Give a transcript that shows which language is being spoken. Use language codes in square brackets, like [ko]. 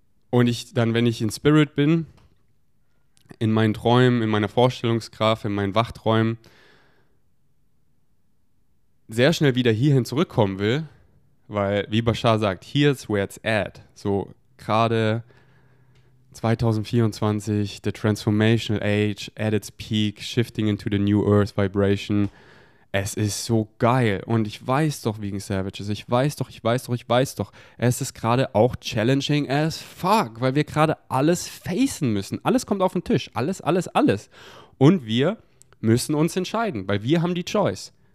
[de] Und ich dann, wenn ich in Spirit bin, in meinen Träumen, in meiner Vorstellungskraft, in meinen Wachträumen, sehr schnell wieder hierhin zurückkommen will, weil, wie Bashar sagt, [en] here's where it's at. [de] So, gerade [en] 2024, the transformational age, at its peak, shifting into the new earth vibration. [de] Es ist so geil. Und ich weiß doch, wegen Savages, ich weiß doch. Es ist gerade auch [en] challenging as fuck, [de] weil wir gerade alles facen müssen. Alles kommt auf den Tisch. Alles. Und wir müssen uns entscheiden, weil wir haben die Choice.